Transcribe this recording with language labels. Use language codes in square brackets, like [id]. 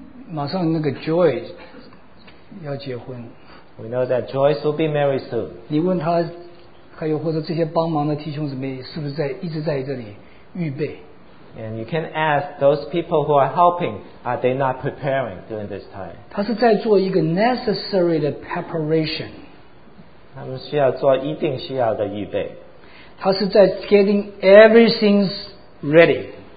[zh] 马上那个Joy 要结婚。 [en] We know that Joyce will be married soon. [zh] 你问他, 还有或者这些帮忙的弟兄姊妹是不是一直在这里预备。 [en] And you can ask those people who are helping, are they not preparing during this time? [zh] 他是在做一个 necessary 的 preparation. 他们需要做一定需要的预备。他是在 [en] getting everything ready.